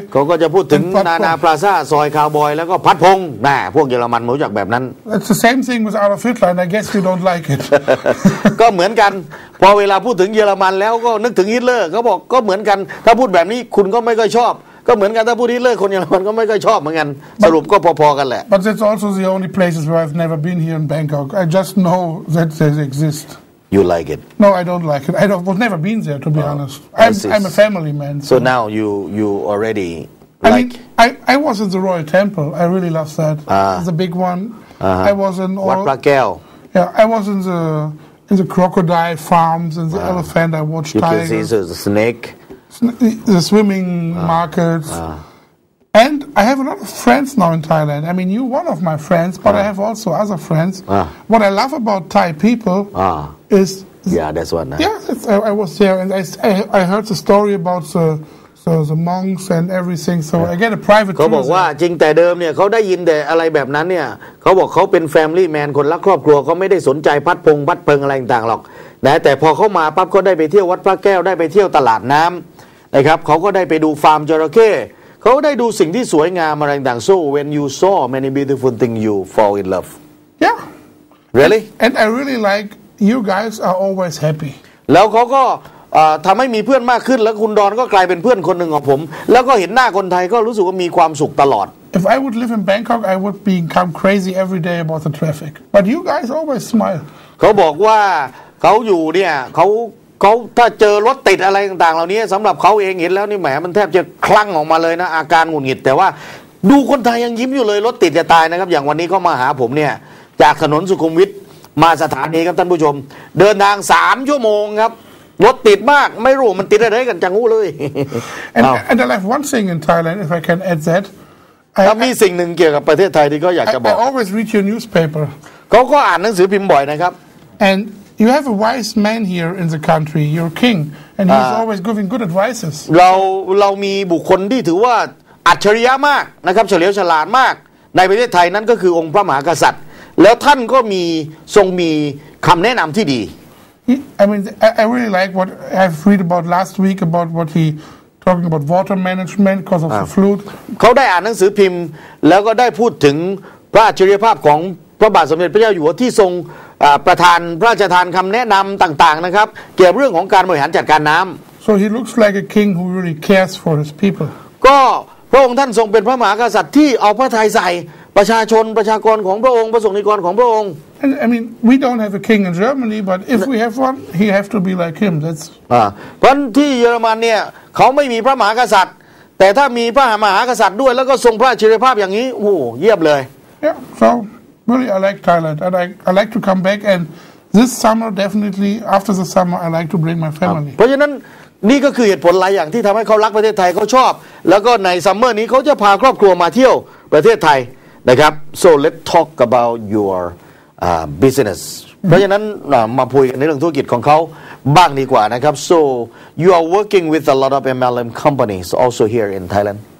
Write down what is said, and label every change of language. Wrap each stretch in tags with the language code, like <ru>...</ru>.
<th>เขาก็จะพูดถึง Nana Plaza Soy Cowboy แล้วก็พัดพงน่ะพวกเยอรมันรู้จักแบบนั้น</th> <en>it's the same thing with Adolf Hitler and I guess you don't like it</en> <th>ก็เหมือนกันพอเวลาพูดถึงเยอรมันแล้วก็นึกถึงฮิตเลอร์เขาบอกก็เหมือนกันถ้าพูดแบบนี้คุณก็ไม่ค่อยชอบก็เหมือนกันถ้าพูดฮิตเลอร์คนเยอรมันก็ไม่ค่อยชอบเหมือนกันสรุปก็พอๆกันแหละ</th> <en>But it's also the only places where I've never been here in Bangkok. I just know that they exist. You like it? No, I don't like it. I was never been there to be honest. I'm a family man. So now you already like? I mean, I was in the Royal Temple. I really love that. The big one. I was in Wat Pra Kael. Yeah, I was in the crocodile farms and the elephant. I watched tigers. You can see the snake. The swimming markets, and I have a lot of friends now in Thailand. I mean, you're one of my friends, but I have also other friends. What I love about Thai people is that's one. I was there, and I heard the story about the monks and everything. So I get a private.</en> <th>เขาบอกว่าจริงแต่เดิมเนี่ยเขาได้ยินแต่อะไรแบบนั้นเนี่ยเขาบอกเขาเป็น family man คนรักครอบครัวเขาไม่ได้สนใจพัดพงพัดเพิงอะไรต่างหรอกนะแต่พอเขามาปั๊บก็ได้ไปเที่ยววัดพระแก้วได้ไปเที่ยวตลาดน้ำนะครับเขาก็ได้ไปดูฟาร์มจระเข้เขาได้ดูสิ่งที่สวยงามอะไรต่างๆ</th> <en>So when you saw many beautiful things you fall in love Yeah Really and I really like you guys are always happy</en> <th>แล้วเขาก็ทำให้มีเพื่อนมากขึ้นแล้วคุณดอนก็กลายเป็นเพื่อนคนหนึ่งของผมแล้วก็เห็นหน้าคนไทยก็รู้สึกว่ามีความสุขตลอด</th> <en>If I would live in Bangkok I would become crazy every day about the traffic but you guys always smile</en> <th>เขาบอกว่าเขาอยู่เนี่ยเขาถ้าเจอรถติดอะไรต่างๆเหล่านี้สำหรับเขาเองเห็นแล้วนี่แหมมันแทบจะคลั่งออกมาเลยนะอาการหงุดหงิดแต่ว่าดูคนไทยยังยิ้มอยู่เลยรถติดจะตายนะครับอย่างวันนี้เขามาหาผมเนี่ยจากถนนสุขุมวิทมาสถานีครับท่านผู้ชมเดินทาง3ชั่วโมงครับ รถติดมากไม่รู้มันติดอะไรกันจังหู้เลย</th> <en>and I have one thing in Thailand if I can add that</en> <th>ถ้ามีสิ่งหนึ่งเกี่ยวกับประเทศไทยที่ก็อยากจะบอก</th> <en>I always read your newspaper</en> <th>เขาก็อ่านหนังสือพิมพ์บ่อยนะครับ</th> <en>and you have a wise man here in the country your king and he's always giving good advices</en> <th>เรามีบุคคลที่ถือว่าอัจฉริยะมากนะครับเฉลียวฉลาดมากในประเทศไทยนั่นก็คือองค์พระมหากษัตริย์แล้วท่านก็มีทรงมีคำแนะนำที่ดี</th> <en>I mean I really like what I've read about last week about what he talking about water management because of the flood</en> <th>เขาได้อ่านหนังสือพิมพ์แล้วก็ได้พูดถึงพระอัจฉริยภาพของพระบาทสมเด็จพระเจ้าอยู่หัวที่ทรงประทานพระราชทานคำแนะนำต่างๆนะครับเกี่ยวเรื่องของการบริหารจัดการน้ำ</th> <en>so he looks like a king who really cares for his people</en> <th>ก็พระองค์ท่านทรงเป็นพระมหากษัตริย์ที่เอาพระทัยใส่ประชาชนประชากรของพระองค์ประสงค์นิกรของพระองค์</th> <en>I mean we don't have a king in Germany but if we have one he has to be like him that's</en> <th>เพราะที่เยอรมันเนี่ยเขาไม่มีพระมหากษัตริย์แต่ถ้ามีพระมหากษัตริย์ด้วยแล้วก็ทรงพระอัจฉริยภาพอย่างนี้โอ้เยี่ยมเลย</th> <en>Yeah so really I like Thailand and I like to come back and this summer definitely after the summer I like to bring my family</en> <th>เพราะฉะนั้นนี่ก็คือเหตุผลหลายอย่างที่ทำให้เขารักประเทศไทยเขาชอบแล้วก็ในซัมเมอร์นี้เขาจะพาครอบครัวมาเที่ยวประเทศไทยนะครับ</th> <en>so let's talk about your business mm-hmm.</en> <th>เพราะฉะนั้นมาพูดกันในเรื่องธุรกิจของเขาบ้างดีกว่านะครับ</th> <en>so you are working with a lot of MLM companies also here in Thailand</en>